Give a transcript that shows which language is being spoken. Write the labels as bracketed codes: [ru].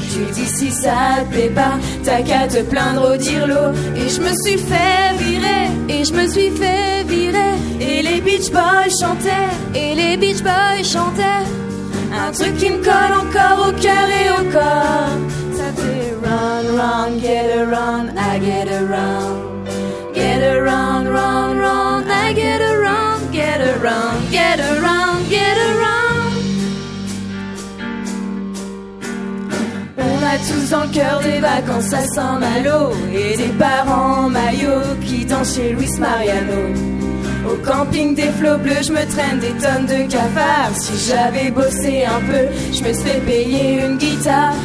[fr] J'ai dit si ça te plaît pas, t'as qu'à te plaindre au dirlo. Et je me suis fait virer, et je me suis fait virer. Et les Beach Boys chantaient, et les Beach Boys chantaient. Un truc qui me colle encore au cœur et au corps. Ça fait [en] run, run, get around, I get around. Get around, run, run, I get around. Get around, get around, get around. [fr] On a tous dans le cœur des vacances à Saint-Malo et des parents maillots qui dansent chez Luis Mariano. Au camping des flots bleus, je me traîne des tonnes de cafards. Si j'avais bossé un peu, je me serais payé une guitare.